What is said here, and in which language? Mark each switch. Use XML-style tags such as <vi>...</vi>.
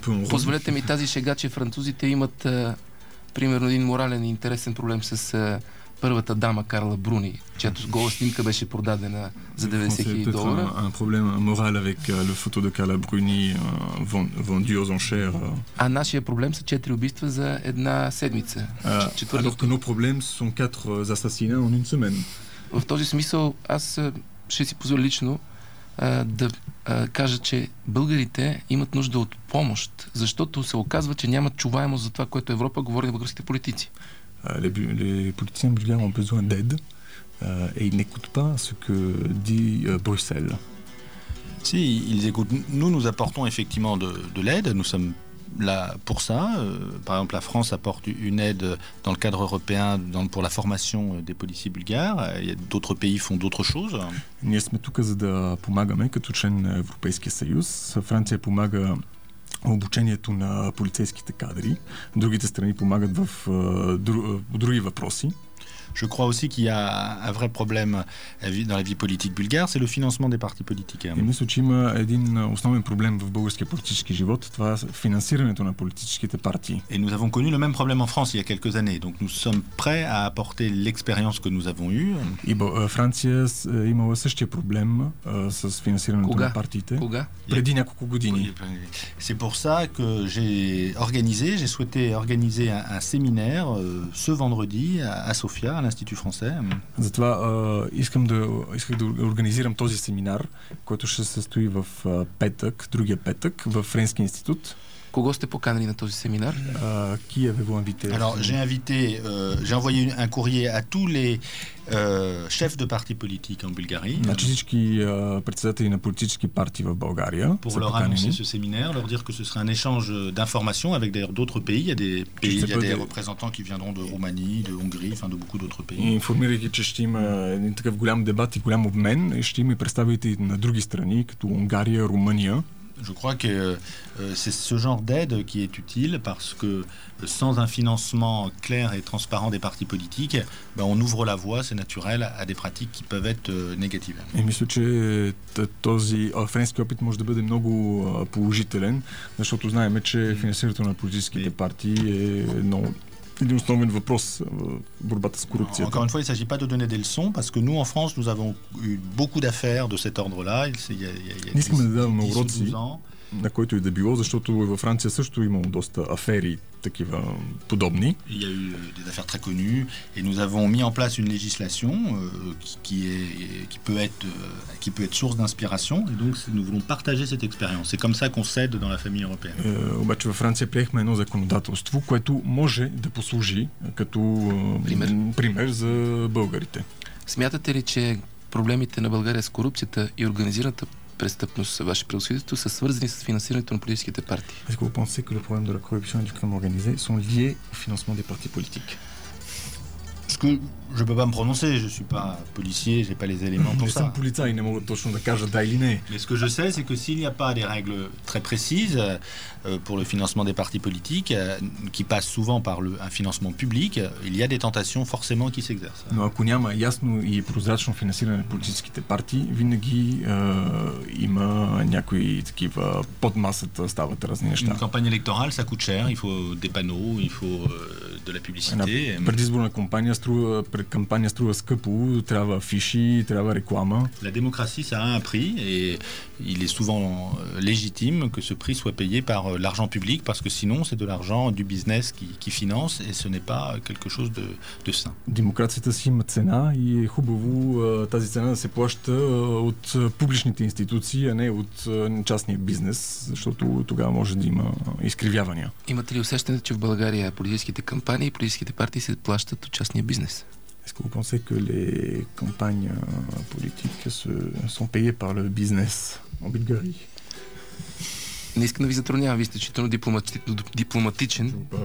<bg>Позволете ми тази шега, че французите имат примерно един морален и интересен проблем с първата дама Карла Бруни, чиято гола снимка беше продадена за 90 000 долара.</bg> <fr>Un problème moral avec le photo de Carla Bruni vendue aux enchères.</fr> <bg>А нашия проблем са 4 убийства за една седмица.</bg> <fr>Alors que nos problèmes sont 4 assassinats en une semaine.</fr> <bg>В този смисъл аз ще си позволя лично да кажа, че българите имат нужда от помощ, защото се оказва, че нямат чуваемост за това, което Европа говори на българските политици.</bg> <fr>Les politiciens bulgares ont besoin d'aide et ils n'écoutent pas ce que dit Bruxelles. Si, ils écoutent. Nous apportons effectivement de l'aide, nous sommes là pour ça. Par exemple, la France apporte une aide dans le cadre européen pour la formation des policiers bulgares. D'autres pays font d'autres choses.</fr> <bg>Ние сме тук, за да помагаме като член на Европейския съюз. Франция помага обучението на полицейските кадри. Другите страни помагат в други въпроси.</bg> <fr>Je crois aussi qu'il y a un vrai problème dans la vie politique bulgare, c'est le financement des partis politiques. Et</fr> <bg>мисля, че има един основен проблем в българския политически живот, това е финансирането на политическите партии.</bg> <fr>Et nous avons connu le même problème en France il y a quelques années, donc nous sommes prêts à apporter l'expérience que nous avons eue.</fr> <bg>Ибо Франция имала същия проблем с финансирането Кога? На партиите. Кога? Преди няколко години.</bg> <fr>C'est pour ça que j'ai souhaité organiser un séminaire ce vendredi à Sofia. À l'Институт français.</fr> <bg>Затова исках да организирам този семинар, който ще се състои в петък, другия петък, в Френския институт. Кого сте поканали на този семинар?</bg> <fr>Qui avez-vous invité? Alors, j'ai envoyé un courrier à tous les chefs de partis politiques en Bulgarie.</fr> <bg>На всички председатели на политически партии в България.</bg> <fr>Pour leur annoncer ce séminaire, leur dire que ce sera un échange d'informations avec d'ailleurs d'autres pays, il y a des représentants qui viendront de Roumanie, de Hongrie, enfin de beaucoup d'autres pays.</fr> <bg>Информирайки, че ще има един такъв голям дебат и голям обмен, и ще има представители на други страни, като Унгария, Румъния.</bg> <fr>Je crois que c'est ce genre d'aide qui est utile parce que sans un financement clair et transparent des partis politiques, ben on ouvre la voie, c'est naturel, à des pratiques qui peuvent être négatives. Et</fr> <bg>мисля, че този френски опит може да бъде много положителен, защото знаем, че финансирането на политическите партии е едно един основен въпрос в борбата с корупцията.</bg> <fr>Encore une fois, il ne s'agit pas de donner des leçons parce que nous, en France, nous avons eu beaucoup d'affaires de cet ordre-là.</fr> <bg>Ние сме да даваме уроци, на който и да било, защото във Франция също има доста афери такива подобни.</bg> <fr>Il y a eu des affaires très connues et nous avons mis en place une législation qui peut être source d'inspiration et donc nous voulons partager cette expérience. C'est comme ça qu'on cède dans la famille européenne.</fr> <bg>Обаче във Франция приехме едно законодателство, което може да послужи като пример за българите. Смятате ли, че проблемите на България с корупцията и организираната престъпност, ваше предусвидетелство, са свързани с финансирането на политическите партии?</bg> <fr>Est-ce que vous pensez que le problème de la corruption et du crime organisé sont liés au financement des partis politiques? Parce que je peux pas me prononcer, je suis pas policier, j'ai pas les éléments pour ça. Les policiers ils ne</fr> <bg>могут точно да кажат да или не.</bg> <fr>Mais ce que je sais c'est que s'il n'y a pas des règles très précises pour le financement des partis politiques qui passent souvent par un financement public, il y a des tentations forcément qui s'exercent.</fr> <bg>Но ако няма ясно и прозрачно финансиране на политическите партии, винаги има някои такива под масата стават разни неща.</bg> <fr>Une campagne électorale ça coûte cher, il faut des panneaux, il faut de la publicité.</fr> <bg>Предизборна кампания кампания струва скъпо, трябва афиши, трябва реклама.</bg> <fr>La démocratie ça a un prix et il est souvent légitime que ce prix soit payé par l'argent public parce que sinon c'est de l'argent du business qui finance et ce n'est pas quelque chose de sain.</fr> <bg>Демокрацията си има цена и е хубаво тази цена да се плаща от публичните институции, а не от частния бизнес, защото тогава може да има изкривявания. Имате ли усещане, че в България политическите кампании и политическите партии се плащат от частния бизнес?</bg> <fr>Est-ce que vous pensez que les campagnes politiques sont payées par le business en Bulgarie?</fr> <bg>Не искам да ви затруднявам, вие сте чето дипломатичен.</bg>